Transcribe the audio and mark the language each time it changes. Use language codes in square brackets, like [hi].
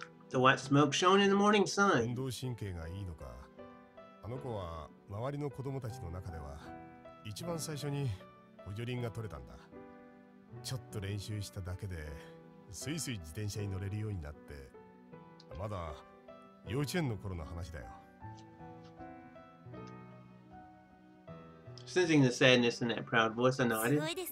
[en] The white smoke shone in the morning sun. [ja] 運動神経がいいのか、 あの子は周りの子供たちの中では一番最初に補助輪が取れたんだ。ちょっと練習しただけでスイスイ自転車に乗れるようになって、まだ幼稚園の頃の話だよ。 [en] Sensing the sadness in that proud voice, I nodded.